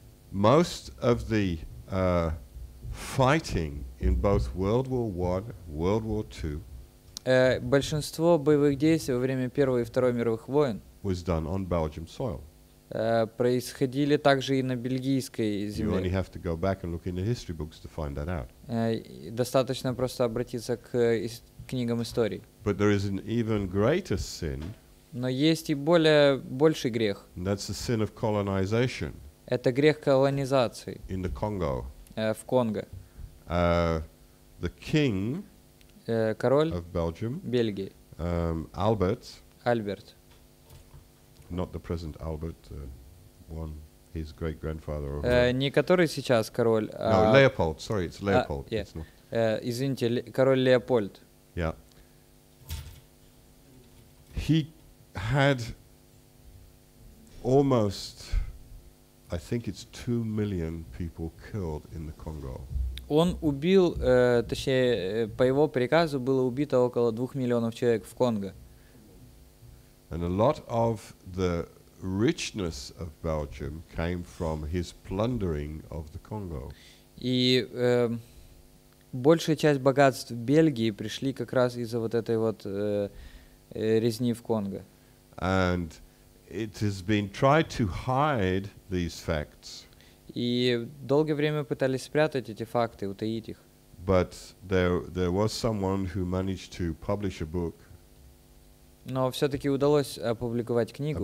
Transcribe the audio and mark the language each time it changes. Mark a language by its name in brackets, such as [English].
[English] Most of the fighting in both World War I, World War II, [Russian] большинство боевых действий во время Первой и Второй мировых войн [English] was done on Belgian soil. [Russian] Происходили также и на бельгийской земле. [English] You only have to go back and look in the history books to find that out. [Russian] Достаточно просто обратиться к книгам истории. [English] But there is an even greater sin. [Russian] Но есть и более больший грех. [English] That's the sin of colonization. [Russian] Это грех колонизации. [English] In the Congo. [Russian] В Конго. [English] The king. [Russian] Король. [English] Of Belgium. [Russian] Бельгии. [English] Albert. [Russian] Альберт. [English] Not the present Albert, one his great grandfather. [Russian] Не который сейчас король. [English] No, Leopold. Sorry, it's Leopold. Yeah. [Russian] Извините, король Леопольд. [English] Yeah. He had almost, I think it's 2 million people killed in the Congo. [Russian] Он убил, точнее, по его приказу было убито около 2 миллионов человек в Конго. [English] And a lot of the richness of Belgium came from his plundering of the Congo. [Russian] И большая часть богатств Бельгии пришли как раз из-за вот этой вот резни в Конго. [English] And it has been tried to hide these facts. [Russian] И долгое время пытались спрятать эти факты, утаить их. [English] But there was someone who managed to publish a book. [Russian] Но все-таки удалось опубликовать книгу